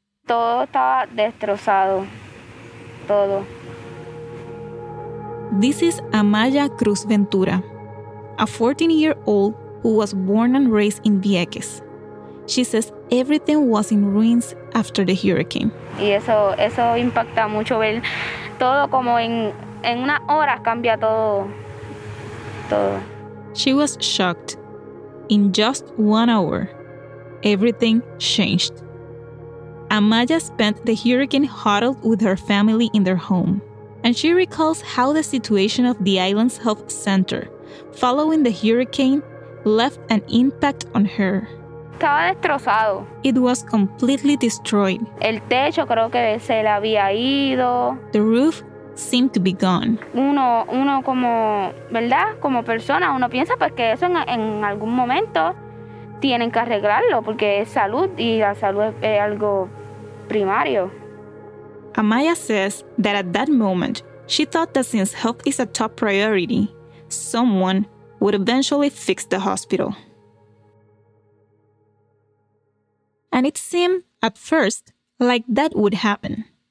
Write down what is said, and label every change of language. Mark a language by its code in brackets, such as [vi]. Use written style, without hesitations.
[es] Todo estaba destrozado. Todo. [en] This is Amaya Cruz Ventura, a 14-year-old who was born and raised in Vieques. She says everything was in ruins after the hurricane. [es] Y eso impacta mucho ver todo como en una hora cambia todo. [en] She was shocked. In just 1 hour, everything changed. Amaya spent the hurricane huddled with her family in their home. And she recalls how the situation of the island's health center following the hurricane left an impact on her. [es] Estaba destrozado. [en] It was completely destroyed. [es] El techo creo que se le había ido. [en] The roof seemed to be gone. [es] Uno como, ¿verdad? Como persona, uno piensa pues que eso en algún momento tienen que arreglarlo porque es salud y la salud es algo primario. [en] Amaya says that at that moment, she thought that since health is a top priority, someone would eventually fix the hospital. And it seemed, at first, like that would happen.